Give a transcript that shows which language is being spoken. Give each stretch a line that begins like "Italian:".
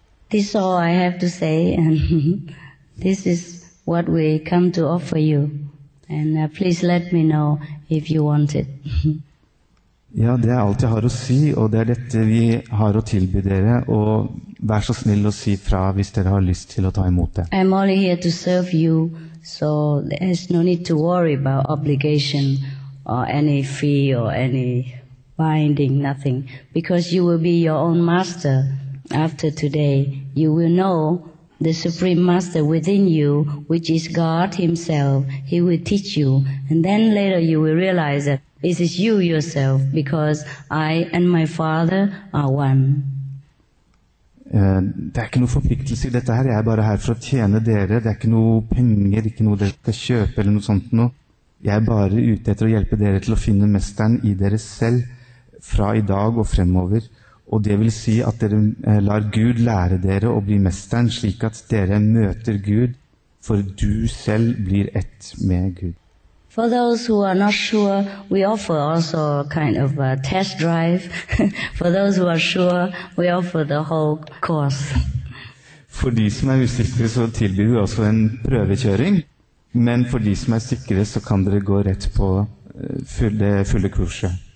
English: This is all I have to say, and this is what we come to offer you. And please let me know if you want it.
Norwegian: Ja, det er alt jeg har å si, og det er dette vi har å tilby dere, og vær så snill å si fra hvis dere har lyst til å ta imot det.
English: I'm only here to serve you, so there's no need to worry about obligation or any fee or any binding, nothing. Because you will be your own master after today. You will know the Supreme Master within you, which is God Himself. He will teach you, and then later you will realize that this is you yourself, because I and my Father are one.
Norwegian: Det ikke noe forpliktelse I dette her. Jeg bare her for å tjene dere. Det ikke noe penger, ikke noe dere skal kjøpe eller noe sånt noe. Jeg bare ute etter å hjelpe dere til å finne mesteren I dere selv fra I dag og fremover. Og det vil si at dere lar Gud lære dere å bli mesteren slik at dere møter Gud, for du selv blir ett med Gud.
English: For those who are not sure, we offer also kind of a test drive. For those who are sure, we offer the whole course.
Norwegian: For de som usikre, så tilbyr vi også en prøvekjøring. Men for de som sikre, så kan dere gå rett på fulle kurset.